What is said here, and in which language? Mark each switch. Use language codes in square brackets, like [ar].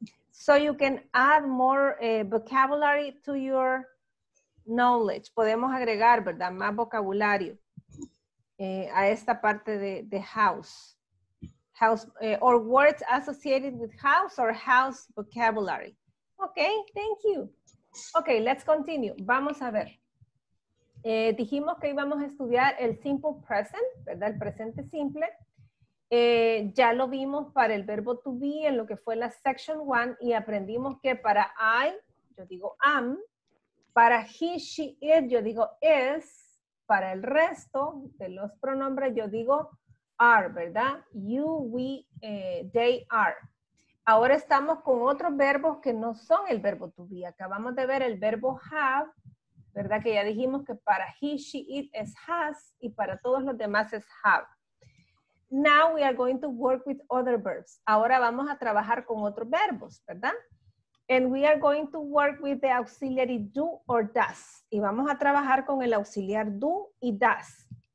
[en] So you can add more vocabulary to your knowledge. [es] Podemos agregar, ¿verdad? Más vocabulario a esta parte de house. [en] House or words associated with house or house vocabulary. Okay, thank you. Ok, let's continue. [es] Vamos a ver. Dijimos que íbamos a estudiar el simple present, ¿verdad? El presente simple. Ya lo vimos para el verbo to be en lo que fue la section one y aprendimos que para I, yo digo am, para he, she, it, yo digo is, para el resto de los pronombres yo digo are, ¿verdad? [en] You, we, they are. [es] Ahora estamos con otros verbos que no son el verbo to be. Acabamos de ver el verbo have, ¿verdad? Que ya dijimos que para he, she, it es has y para todos los demás es have. [en] Now we are going to work with other verbs. [es] Ahora vamos a trabajar con otros verbos, ¿verdad? [en] And we are going to work with the auxiliary do or does. [es] Y vamos a trabajar con el auxiliar do y does.